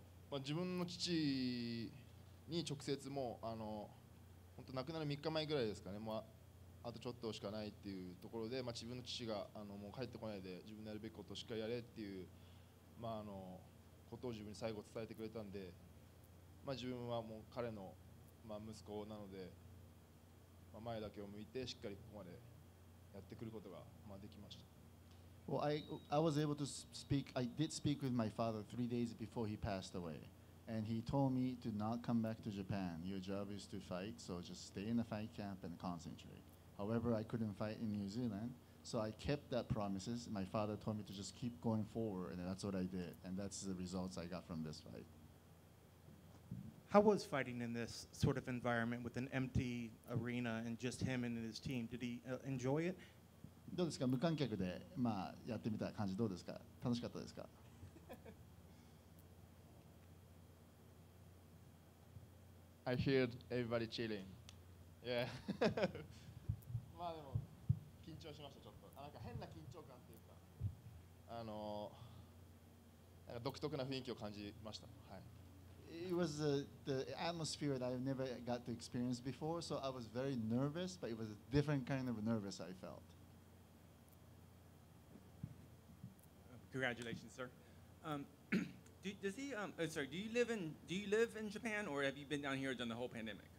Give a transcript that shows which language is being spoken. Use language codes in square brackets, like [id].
[ja] まあ、自分の父に直接もう本当亡くなる3日前ぐらいですかね。もう あとちょっとしかないっていうところで、まあ、自分の父がもう帰ってこないで自分のやるべきことをしっかりやれっていう、まあことを自分に最後伝えてくれたんで、まあ、自分はもう彼のまあ、息子なので、まあ、前だけを向いてしっかりここまでやってくることがまあできました。 [en] Well, I was able to speak. I did speak with my father 3 days before he passed away, and he told me to not come back to Japan. Your job is to fight, so just stay in the fight camp and concentrate. However, I couldn't fight in New Zealand, so I kept that promises. My father told me to just keep going forward, and that's what I did, and that's the results I got from this fight. How was fighting in this sort of environment with an empty arena and just him and his team? Did he enjoy it? [ja] どうですか？無観客で、まあ、やってみた感じどうですか？楽しかったですか？ [en] I heard everybody cheering. Yeah. [ja] まあでも緊張しました、ちょっと。なんか変な緊張感っていうか、なんか独特な雰囲気を感じました。はい。 [en] It was the atmosphere that I never got to experience before, so I was very nervous, but it was a different kind of nervous I felt. Congratulations, sir. do you live in Japan, or have you been down here during the whole pandemic?